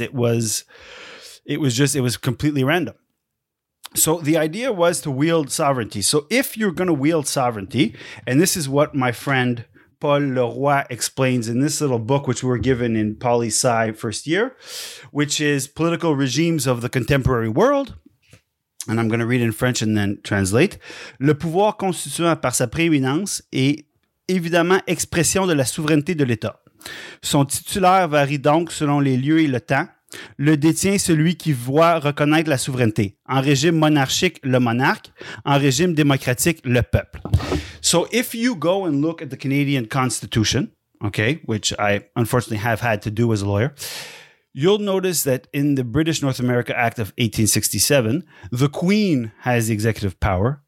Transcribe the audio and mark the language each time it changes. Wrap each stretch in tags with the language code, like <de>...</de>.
<en>It was completely random. So the idea was to wield sovereignty. So if you're going to wield sovereignty, and this is what my friend Paul Leroy explains in this little book, which we were given in Poli-Sci first year, which is Political Regimes of the Contemporary World. And I'm going to read in French and then translate.</en> <fr>Le pouvoir constituant par sa prééminence est évidemment expression de la souveraineté de l'État. Son titulaire varie donc selon les lieux et le temps. Le détient celui qui voit reconnaître la souveraineté. En régime monarchique, le monarque. En régime démocratique, le peuple.</fr> <en>So if you go and look at the Canadian Constitution, okay, which I unfortunately have had to do as a lawyer, you'll notice that in the British North America Act of 1867, the Queen has the executive power.</en>